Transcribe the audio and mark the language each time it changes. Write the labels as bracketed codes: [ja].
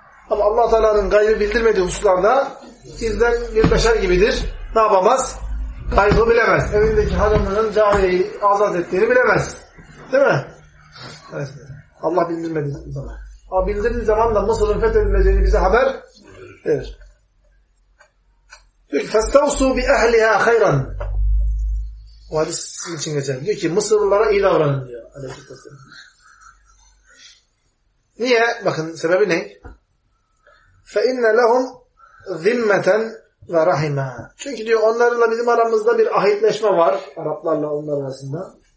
[tr] Ama Allah Teala'nın gaybı bildirmediği hususlarda bizden bir beşer gibidir. Ne yapamaz? Gaybı bilemez. Evindeki hanımının cariyeyi azat ettiğini bilemez. Değil mi? Evet. Allah bildirmedi o zaman. Ama bildirdiği zaman da Mısır'ın fethedileceğini bize haber verir. Diyor ki [ar] فَاسْتَوْسُوا بِأَهْلِهَا خَيْرًا. [tr] Bu hadis sizin için geçer. Diyor ki Mısırlılara iyi davranın diyor Aleyhisselam. Niye? Bakın sebebi ne? [ar] فَاِنَّ لَهُمْ ذِمَّةً وَرَحِمًا. [tr] Çünkü diyor onlarla bizim aramızda bir ahitleşme var. Araplarla onlar arasında.